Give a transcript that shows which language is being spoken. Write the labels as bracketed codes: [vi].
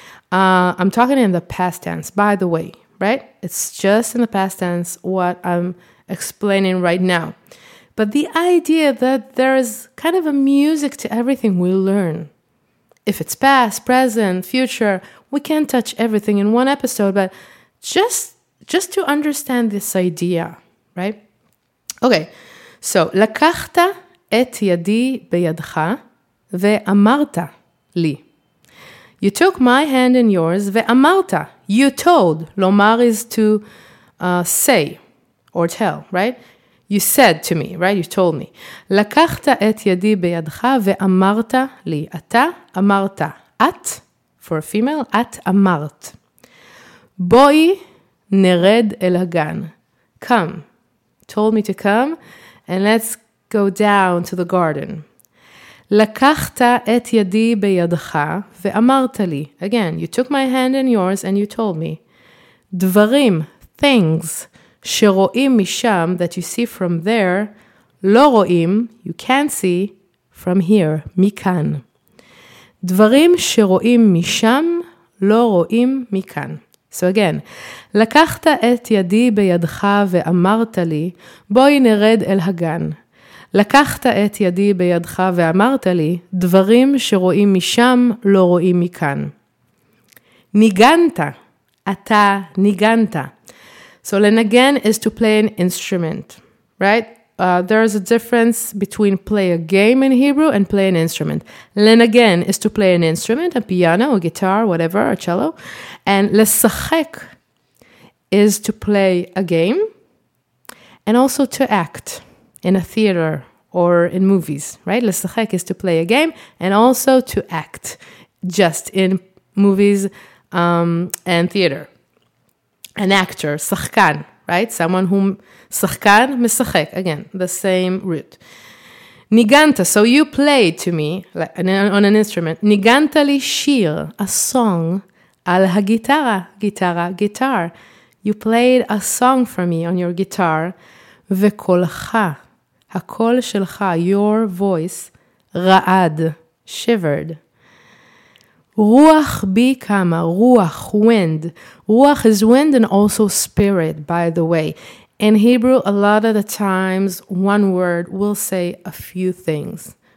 [en] I'm talking in the past tense, by the way, right? It's just in the past tense what I'm explaining right now. But the idea that there is kind of a music to everything we learn. If it's past, present, future, we can't touch everything in one episode, but just to understand this idea, right? Okay, so, [he] לקחת את ידי בידך ואמרת לי. [en] You took my hand in yours ואמרת. You told. לומר is to say or tell, right? You said to me, right? You told me. [he] לקחת את ידי בידך ואמרת לי. אתה אמרת. את, [en] for a female, [he] את אמרת. בואי נרד אל הגן. [en] Come. Told me to come. And let's go down to the garden. [he] לקחת את ידי בידך ואמרת לי. [en] Again, you took my hand in yours and you told me. דברים, things, [he] שרואים משם, [en] that you see from there, [he] לא רואים, [en] you can't see, from here, מכאן. [he] דברים שרואים משם, לא רואים מכאן. [en] So again, [he] לקחת את ידי בידך ואמרת לי, בואי נרד אל הגן. לקחת את ידי בידך ואמרת לי, דברים שרואים משם לא רואים מכאן. ניגנת, אתה ניגנת. [en] So לנגן is to play an instrument, right? There is a difference between play a game in Hebrew and play an instrument. לנגן is to play an instrument, a piano, a guitar, whatever, a cello. And לשחק is to play a game and also to act in a theater or in movies, right? לשחק is to play a game and also to act just in movies and theater. An actor, שחקן. Right? Someone whom [he] שחקן משחק. [en] Again, the same root. ניגנת. So you played to me on an instrument. [he] ניגנת לי שיר, [en] a song, [he] על הגיטרה. [en] גיטרה, guitar. You played a song for me on your guitar. [he] וקולך, הקול שלך, [en] your voice, [he] רעד, shivered. רוח בי כמה, רוח, wind. [en] רוח is wind and also spirit, by the way. In Hebrew, a lot of the times, one word will say a few things.